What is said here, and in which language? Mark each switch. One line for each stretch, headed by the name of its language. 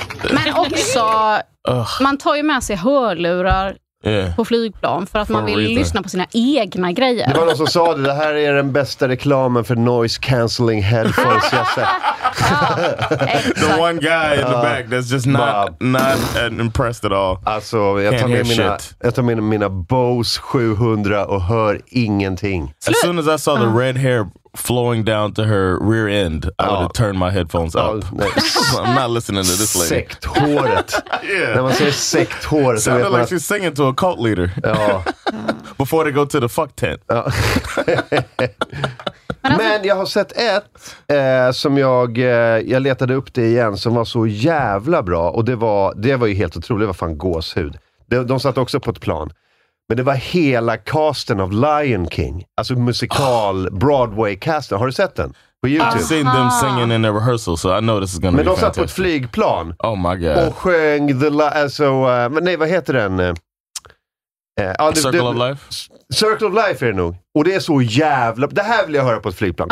Swedish: Men också, man tar ju med sig hörlurar.
English: Yeah.
Swedish: På flygplan för att for man vill lyssna på sina egna grejer. Det var någon som sa det här är den bästa reklamen för noise cancelling headphones. Jag sa.
English: The one guy in the back that's just not impressed at all.
Swedish: Alltså, jag tar med mina Bose 700 och hör ingenting.
English: As soon as I saw the red hair flowing down to her rear end, I would have turned my headphones up. So I'm not listening to this lady.
Swedish: Sekthåret.
English: Yeah.
Swedish: När man säger sekthåret.
English: Sounded like she's singing to a cult leader. Before they go to the fuck tent.
Swedish: Men jag har sett ett som jag letade upp det igen som var så jävla bra. Och det var ju helt otroligt. Det var fan gåshud. De satt också på ett plan. Men det var hela casten av Lion King. Alltså musikal, Broadway-casten. Har du sett den? På YouTube?
English: I've seen them singing in a rehearsal, so I know this is gonna
Swedish: men
English: be fantastic.
Swedish: Men de satt på ett flygplan.
English: Oh my god.
Swedish: Och sjöng the... vad heter den?
English: Circle of Life?
Swedish: Circle of Life är det nog. Och det är så jävla... Det här vill jag höra på ett flygplan.